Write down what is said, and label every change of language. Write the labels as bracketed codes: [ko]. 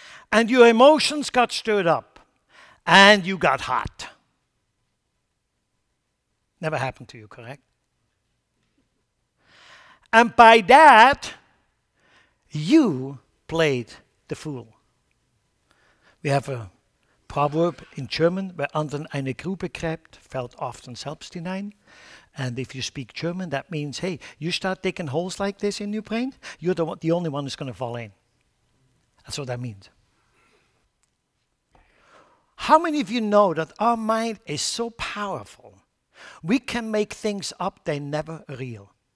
[en] And your emotions got stirred up. And you got hot. Never happened to you, correct? And by that, you played the fool. We have a proverb in German, [de] wer anderen eine Grube gräbt, fällt oft selbst hinein. [en] And if you speak German, that means, hey, you start digging holes like this in your brain, you're the only one who's going to fall in. That's what that means. How many of you know that our mind is so powerful, we can make things up, they're never real.